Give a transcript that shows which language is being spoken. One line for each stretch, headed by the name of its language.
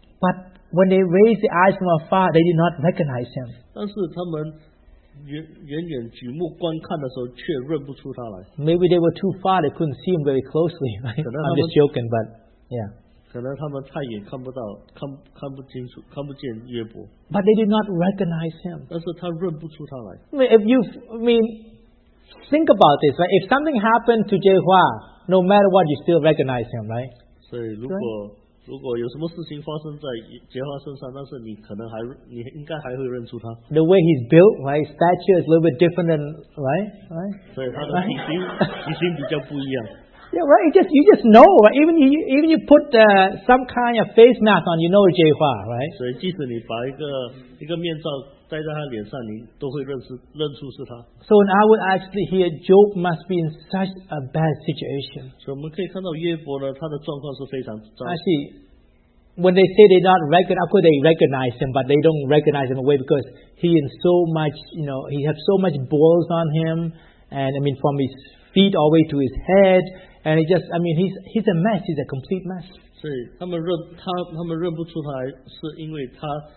English: But when they raise their eyes from afar, they did not recognize him.
Chinese: 但是他们远远举目观看的时候，却认不出他来。
English: Maybe they were too far. They couldn't see him very closely. Right? I'm just joking, but yeah.
Chinese: 可能他们太远看不到，看不清楚，看不见约伯。
English: But they did not recognize him.
Chinese: 但是他认不出他来。
English: I mean, think about this, right? If something happened to Jehua, no matter what, you still recognize him, right?
Chinese: 所以如果有什么事情发生在杰华身上，但是你应该还会认出他。
English: The way he's built, right? Stature is a little bit different than, right?
Chinese: 所以他的体型比较不一样。
English: Yeah, right. You just know, right? Even you put some kind of face mask on, you know Jehua, right?
Chinese: 所以即使你把一个面罩待在他脸上，你都会认出是他。
English: So in our actually here, Job must be in such a bad situation.
Chinese: 所以我们可以看到约伯呢，他的状况是非常糟。
English: Actually, when they say they not recognize, of course they recognize him, but they don't recognize him away because he is so much, you know, he has so much boils on him, and I mean from his feet all the way to his head, and he just, I mean, he's a mess. He's a complete mess.
Chinese: 所以他们认不出他，是因为他。